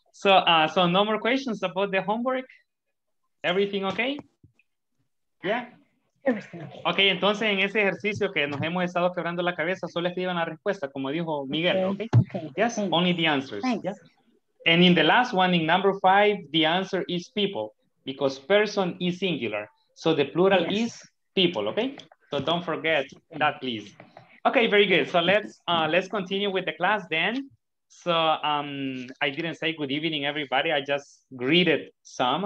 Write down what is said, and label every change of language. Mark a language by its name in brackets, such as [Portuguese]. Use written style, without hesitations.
[English] So, so no more questions about the homework. Everything okay? Yeah. [Spanish] Ok, entonces en ese ejercicio que nos hemos estado quebrando la cabeza, solo escriban la respuesta, como dijo Miguel, ¿ok? [English] Okay. Yes, thanks. Only the answers. Yeah? And in the last one, in number 5, the answer is people, because person is singular. So the plural is people, ¿ok? So don't forget that, please. Okay, very good. So let's continue with the class then. So I didn't say good evening, everybody. I just greeted some.